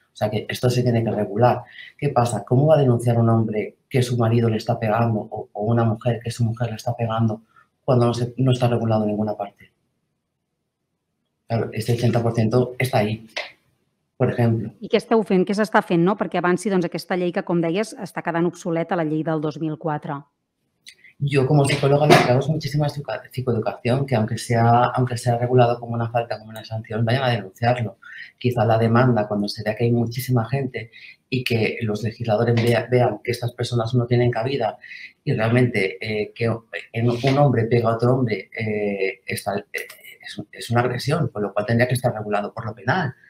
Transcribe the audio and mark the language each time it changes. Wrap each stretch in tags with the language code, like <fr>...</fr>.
<es>O sea, que esto se tiene que regular. ¿Qué pasa? ¿Cómo va a denunciar un hombre que su marido le está pegando o una mujer que su mujer le está pegando cuando no está regulado en ninguna parte? Claro, este 80% está ahí, por ejemplo.</es> <ca>I què esteu fent? Què s'està fent, no? Perquè avanci, doncs, aquesta llei que, com deies, està quedant obsoleta, la llei del 2004.</ca> <es>Yo, como psicóloga, le hago muchísima psicoeducación, que aunque sea regulado como una falta, como una sanción, vayan a denunciarlo. Quizá la demanda, cuando se vea que hay muchísima gente y que los legisladores vean que estas personas no tienen cabida y realmente que un hombre pega a otro hombre, es una agresión, con lo cual tendría que estar regulado por lo penal.</es>